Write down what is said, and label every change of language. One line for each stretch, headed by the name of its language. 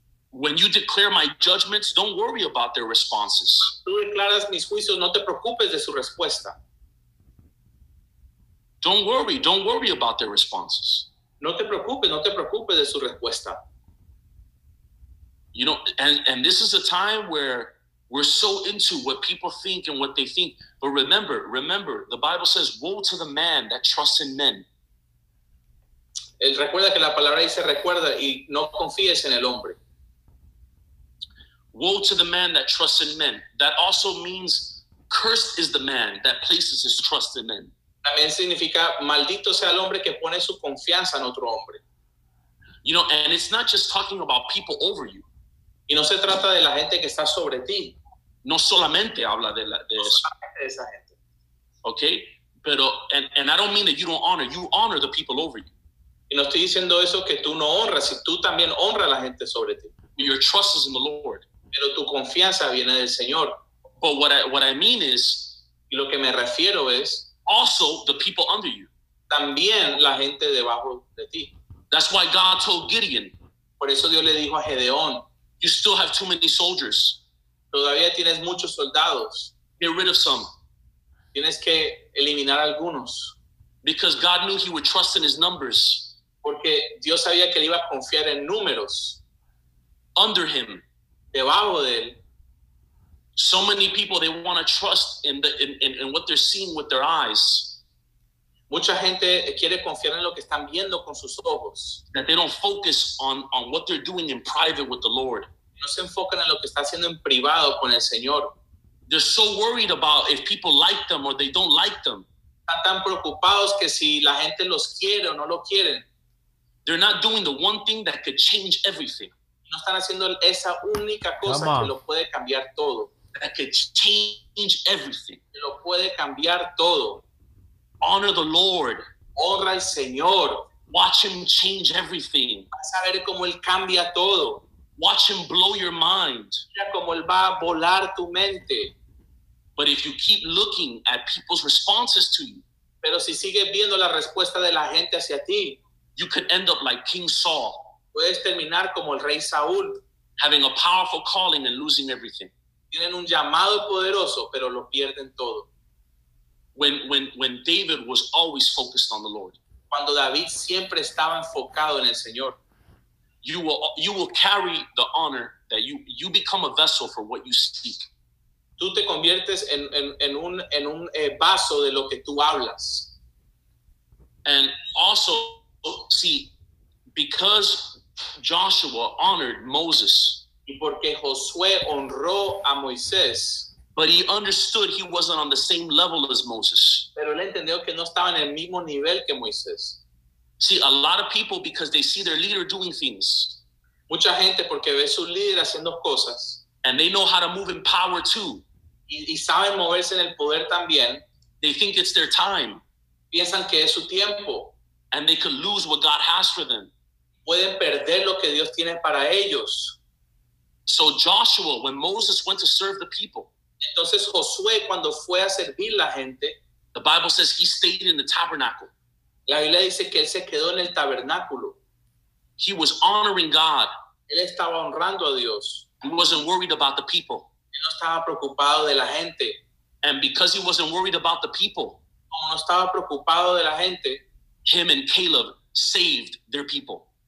English: When you declare my judgments, don't worry about their responses.
Spanish: Tú declaras mis juicios, no te preocupes de su respuesta.
English: Don't worry about their responses.
Spanish: No te preocupes de su respuesta.
English: You know, and this is a time where we're so into what people think and what they think. But remember, the Bible says, woe to the man that trusts in men.
Spanish: Recuerda que la palabra dice recuerda y no confíes en el hombre.
English: Woe to the man that trusts in men. That also means cursed is the man that places his trust in men.
Spanish: También significa maldito sea el hombre que pone su confianza en otro hombre.
English: You know, and it's not just talking about people over you.
Spanish: Y no se trata de la gente que está sobre ti. No solamente habla de la de, no eso. De esa gente.
English: Okay?
Spanish: Pero
English: and I don't mean that you don't honor. You honor the people over you.
Spanish: Y no estoy diciendo eso que tú no honras, si tú también honras a la gente sobre ti.
English: Your trust is in the Lord.
Spanish: Pero tu confianza viene del Señor.
English: But what I mean is,
Spanish: y lo que me refiero es,
English: also the people under you.
Spanish: También la gente debajo de ti.
English: That's why God told Gideon.
Spanish: Por eso Dios le dijo a Gedeón.
English: You still have too many soldiers.
Spanish: Todavía tienes muchos soldados.
English: Get rid of some.
Spanish: Tienes que eliminar algunos.
English: Because God knew he would trust in his numbers.
Spanish: Porque Dios sabía que él iba a confiar en números.
English: Under him.
Spanish: Debajo de él.
English: So many people, they want to trust in what they're seeing with their eyes.
Spanish: Mucha gente quiere confiar en lo que están viendo con sus ojos.
English: That they don't focus on what they're doing in private with the Lord.
Spanish: No se enfocan en lo que está haciendo en privado con el Señor.
English: They're so worried about if people like them or they don't like them.
Spanish: Están tan preocupados que si la gente los quiere o no lo quieren.
English: They're not doing the one thing that could change everything.
Spanish: No están haciendo esa única cosa que lo puede cambiar todo.
English: That could change everything.
Spanish: Que lo puede cambiar todo.
English: Honor the Lord.
Spanish: Honra al Señor.
English: Watch him change everything.
Spanish: Vas a ver cómo él cambia todo.
English: Watch him blow your mind.
Spanish: Mira cómo él va a volar tu mente.
English: But if you keep looking at people's responses to you,
Spanish: pero si sigues viendo la respuesta de la gente hacia ti,
English: you could end up like King Saul.
Spanish: Puedes terminar como el rey Saúl.
English: Having a powerful calling and losing everything.
Spanish: Tienen un llamado poderoso, pero lo pierden todo.
English: When David was always focused on the Lord.
Spanish: Cuando David siempre estaba enfocado en el Señor.
English: You will carry the honor that you become a vessel for what you speak.
Spanish: Tú te conviertes en un vaso de lo que tú hablas.
English: And also, see, because Joshua honored Moses.
Spanish: Y porque Josué honró a Moisés.
English: But he understood he wasn't on the same level as Moses.
Spanish: Pero él entendió que no estaba en el mismo nivel que Moisés.
English: See, a lot of people, because they see their leader doing things.
Spanish: Mucha gente porque ve su líder haciendo cosas.
English: And they know how to move in power too.
Spanish: Y saben moverse en el poder también.
English: They think it's their time.
Spanish: Piensan que es su tiempo.
English: And they could lose what God has for them.
Spanish: Pueden perder lo que Dios tiene para ellos.
English: So Joshua, when Moses went to serve the people.
Spanish: Entonces Josué cuando fue a servir la gente,
English: the Bible says he stayed in the tabernacle.
Spanish: La Biblia dice que él se quedó en el tabernáculo.
English: He was honoring God.
Spanish: Él estaba honrando a Dios.
English: He wasn't worried about the people.
Spanish: Él no estaba preocupado de la gente.
English: And because he wasn't worried about the people,
Spanish: como no estaba preocupado de la gente,
English: him and Caleb saved their people.